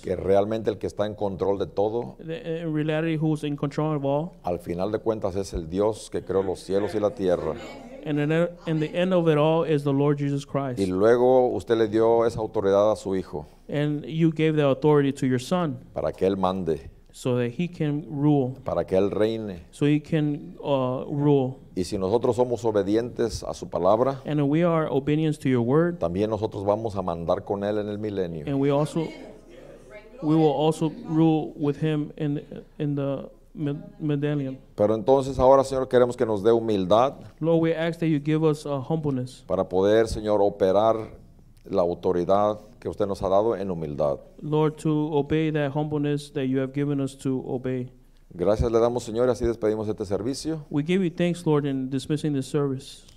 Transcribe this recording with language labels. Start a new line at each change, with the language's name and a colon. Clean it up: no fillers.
Spanish: que realmente el que está en control de todo
English: in reality who's in control of all
Spanish: al final de cuentas es el Dios que creó los cielos y la tierra.
English: And in the end of it all is the Lord Jesus Christ.
Spanish: Y luego usted le dio esa autoridad a su hijo.
English: And you gave the authority to your son.
Spanish: Para que él mande.
English: So that he can rule.
Spanish: Para que él reine.
English: So he can rule.
Spanish: Y si nosotros somos obedientes a su palabra.
English: And if we are obedient to your word.
Spanish: También nosotros vamos a mandar con él en el milenio.
English: And we will also rule with him in the medallion.
Spanish: Pero entonces ahora, Señor, queremos que nos dé humildad.
English: Lord, we ask that you give us humbleness.
Spanish: Para poder, Señor, operar la autoridad que usted nos ha dado en humildad.
English: Lord, to obey that humbleness that you have given us to obey.
Spanish: Gracias le damos, Señor, y así despedimos este servicio.
English: We give you thanks, Lord, in dismissing this service.